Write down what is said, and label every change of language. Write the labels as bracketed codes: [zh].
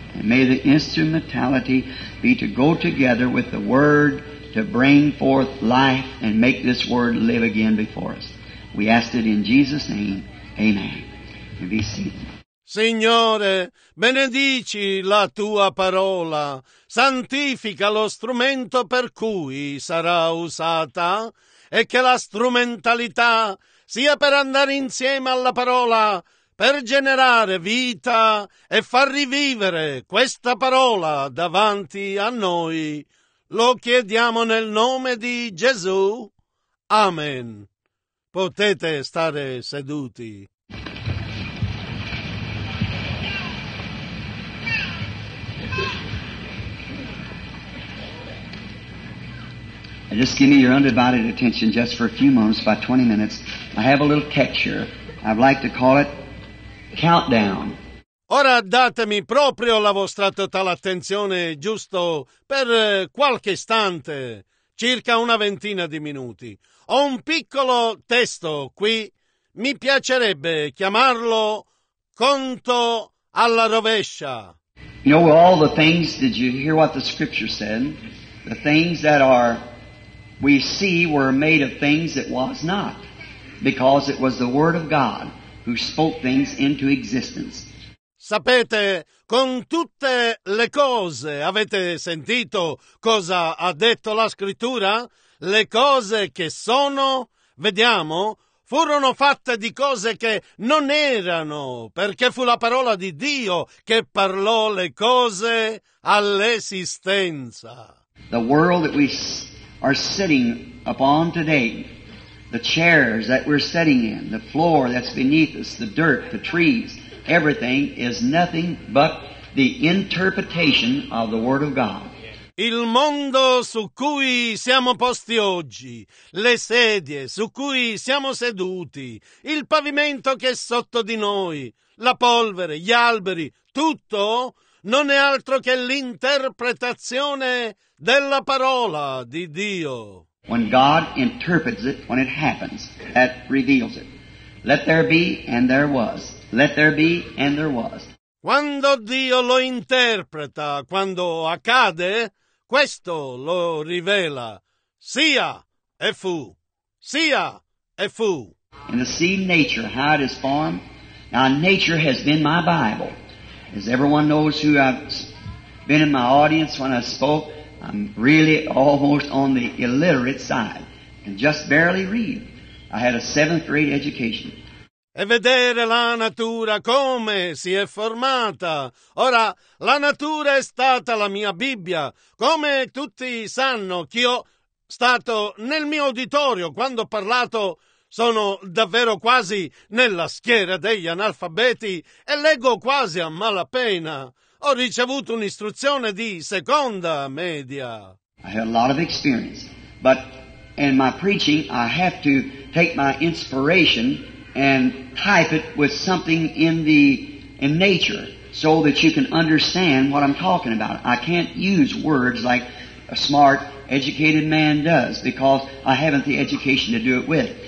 [en] And may the instrumentality be to go together with the word to bring forth life and make this word live again before us. We ask it in Jesus' name. Amen. And be seated. [it] Signore, benedici la tua parola. Santifica lo strumento per cui sarà usata. E che la strumentalità sia per andare insieme alla parola, per generare vita e far rivivere questa parola davanti a noi. Lo chiediamo nel nome di Gesù. Amen. Potete stare seduti. [en] Just give me your undivided attention just for a few moments, about 20 minutes. I have a little catch here. I'd like to call it countdown. [it] Ora datemi proprio la vostra totale attenzione, giusto per qualche istante, circa una ventina di minuti. Ho un piccolo testo qui. Mi piacerebbe chiamarlo conto alla rovescia. [en] You know, all the things, did you hear what the scripture said? The things that are we see were made of things that was not, because it was the word of God who spoke things into existence. [it] Sapete, con tutte le cose, avete sentito cosa ha detto la scrittura? Le cose che sono, vediamo, furono fatte di cose che non erano, perché fu la parola di Dio che parlò le cose all'esistenza. [en] The world that we are sitting upon today, the chairs that we're sitting in, the floor that's beneath us, the dirt, the trees, everything is nothing but the interpretation of the Word of God. [it] Il mondo su cui siamo posti oggi, le sedie su cui siamo seduti, il pavimento che è sotto di noi, la polvere, gli alberi, tutto non è altro che l'interpretazione della parola di Dio. [en] When God interprets it, when it happens, that reveals it. Let there be, and there was. Let there be, and there was. [it] Quando Dio lo interpreta, quando accade, questo lo rivela. Sia e fu. Sia e fu. [en] In the seed nature, how it is formed. Now, nature has been my Bible. As everyone knows who I've been in my audience when I spoke, I'm really almost on the illiterate side and just barely read. I had a seventh grade education. [it] E vedere la natura come si è formata. Ora, la natura è stata la mia Bibbia. Come tutti sanno, che ho stato nel mio auditorio quando ho parlato, sono davvero quasi nella schiera degli analfabeti e leggo quasi a malapena. Ho ricevuto un'istruzione di seconda media. [en] I have a lot of experience, but in my preaching I have to take my inspiration and type it with something in nature so that you can understand what I'm talking about. I can't use words like a smart, educated man does, because I haven't the education to do it with.